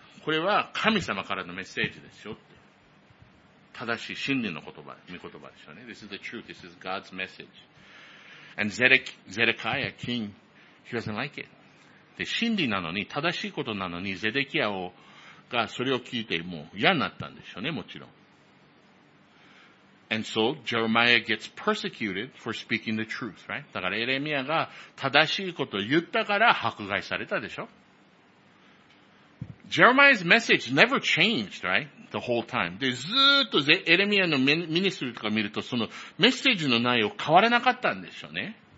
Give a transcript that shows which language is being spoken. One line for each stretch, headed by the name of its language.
Japanese: これは神様からのメッセージですよって。正しい真理の言葉、御言葉でしょうね。
English: This is the truth. This is God's message. And Zedekiah, king, he doesn't like it.
Japanese: で、真理なのに、正しいことなのに、ゼデキヤ王がそれを聞いてもう嫌になったんでしょうね、もちろん。
English: And so, Jeremiah gets persecuted for speaking the truth, right?
Japanese: だから、エレミアが正しいことを言ったから迫害されたでしょ?
English: Jeremiah's message never changed, right? The whole time.
Japanese: で、ずっとエレミアのミニストリーとか見ると、そのメッセージの内容変わらなかったんでしょうね。